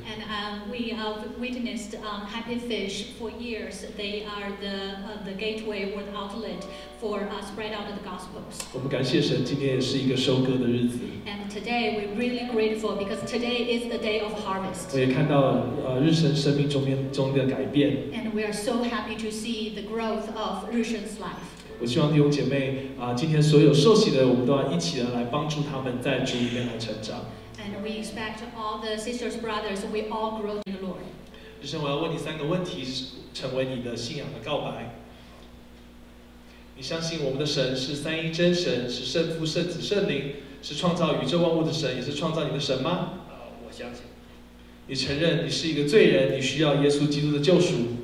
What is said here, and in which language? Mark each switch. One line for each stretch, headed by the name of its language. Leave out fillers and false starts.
English: And we have witnessed Happy Fish for years. They are the gateway or the outlet for spread out the gospels.
Chinese: 我们感谢神，今天也是一个收割的日子。
English: And today we're really grateful because today is the day of harvest.
Chinese: 我也看到日升生命中的改变。
English: And we are so happy to see the growth of Rishen's life.
Chinese: 我希望弟兄姐妹今天所有受洗的，我们都要一起来帮助他们在主里面来成长。
English: And we expect all the sisters, brothers, we all grow in the Lord.
Chinese: 日升，我要问你三个问题，成为你的信仰的告白。你相信我们的神是三一真神，是圣父、圣子、圣灵，是创造宇宙万物的神，也是创造你的神吗？我相信。你承认你是一个罪人，你需要耶稣基督的救赎？